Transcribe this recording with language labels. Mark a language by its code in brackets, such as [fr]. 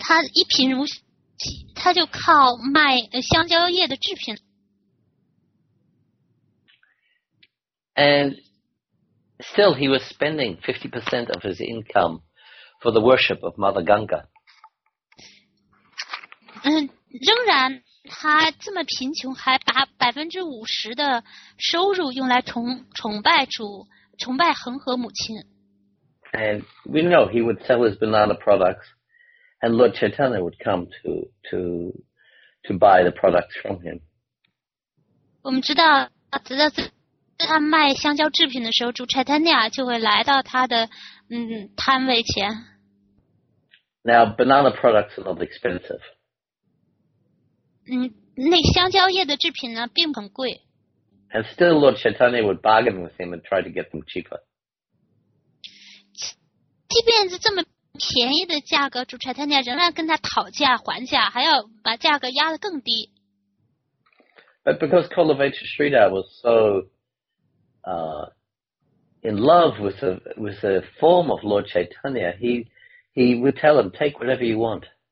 [zh] 他一贫如洗，他就靠卖香蕉叶的制品。 [en] And still he was spending 50% of his income for the worship of Mother Ganga. [zh] 仍然他这么贫穷，还把50%的收入用来崇拜恒河母亲。 [en] And we know he would sell his banana products, and Lord Chaitanya would come to buy the products from him. [zh] 我们知道，他卖香蕉制品的时候，主 Chaitanya 就会来到他的摊位前。 [en] Now banana products are not expensive. [zh] 那香蕉叶的制品呢，并不很贵。 [en] And still Lord Chaitanya would bargain with him and try to get them cheaper. [zh] 即便是这么便宜的价格，主 Chaitanya 仍然跟他讨价还价，还要把价格压得更低。 [en] But because Kulavecha Sridhar was so in love with the form of Lord Chaitanya, he would tell him, take whatever you want.